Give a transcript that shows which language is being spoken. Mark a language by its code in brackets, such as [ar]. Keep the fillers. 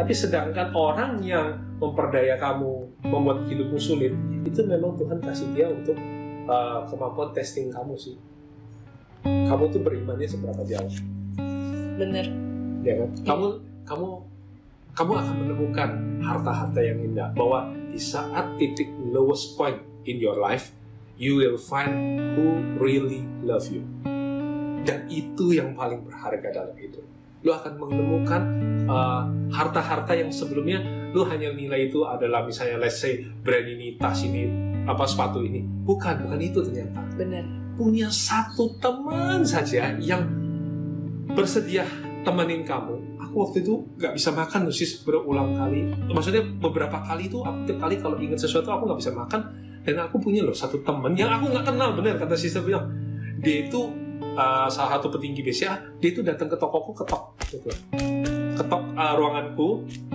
[id] Tapi sedangkan orang yang memperdaya kamu, membuat hidupmu sulit, itu memang Tuhan kasih dia untuk uh, kemampuan testing kamu sih. Kamu tuh berimannya seberapa jauh? Bener. Ya, kan? Kamu, I- kamu, i- kamu i- akan menemukan harta-harta yang indah. Bahwa di saat titik [en] lowest point in your life, you will find who really love you. [id] Dan itu yang paling berharga dalam hidup. Lo akan menemukan uh, harta-harta uh, yang sebelumnya lo hanya nilai itu adalah misalnya [en] let's say [id] brand ini, tas ini, apa sepatu ini. Bukan, bukan itu ternyata. Benar. Punya satu teman saja yang bersedia temenin kamu aku waktu itu nggak bisa makan tuh sis berulang kali maksudnya beberapa kali itu aku tiap kali kalau ingat sesuatu aku nggak bisa makan dan aku punya loh satu temen yang aku nggak kenal bener kata sis bilang dia itu uh, salah satu petinggi BCA dia itu datang ke tokoku ketok gitu ketok uh, ruanganku